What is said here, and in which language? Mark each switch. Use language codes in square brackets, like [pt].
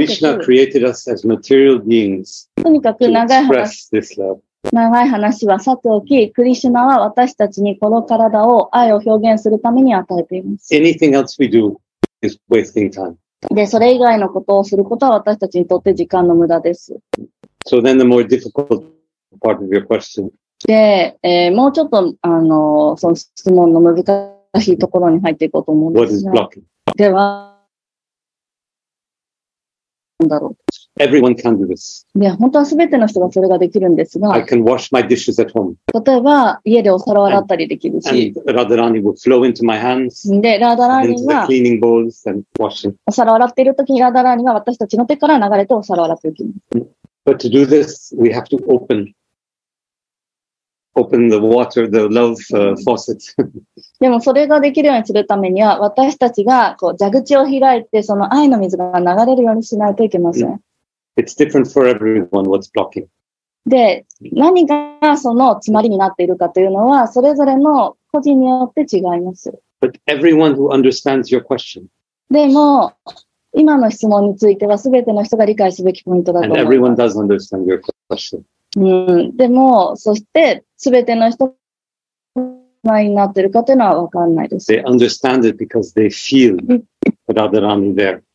[en] Krishna created us as material beings. [ja] とにかく長い話。長い話はさておき、クリシュナは私たちにこの体を愛を表現するために与えています。 [en] Anything else we do is wasting time. [ja] で、それ以外のことをすることは私たちにとって時間の無駄です。 [en] So then the more difficult part of your question. [ja] で、もうちょっと、その質問の難しいところに入っていこうと思うんですが。 [en] What is blocking? [ja] では、なんだろう。 [en] Everyone can do this. [ja] いや、本当はすべての人がそれができるんですが。 [en] I can wash my dishes at home. [ja] 例えば、家でお皿を洗ったりできるし。 [en] And Radharani will flow into my hands. [ja] で、ラダラーニが。 [en] Into the cleaning bowls and washing. [ja] お皿を洗っているときに、ラダラーニが私たちの手から流れてお皿を洗っていきます。 [en] But to do this, we have to open the water, the love faucet. [ja] でも、それができるようにするためには、私たちがこう蛇口を開いて、その愛の水が流れるようにしないといけません。 [en] It's different for everyone what's blocking. [ja] で、何がその詰まりになっているかというのは、それぞれの個人によって違います。 [en] But everyone who understands your question. [ja] でも、今の質問については全ての人が理解すべきポイントだと思います。 [en] And everyone does understand your question. [ja] でも、そして全ての人が詰まりになっているかというのは分からないです。 [en] They understand it because they feel Radharani there.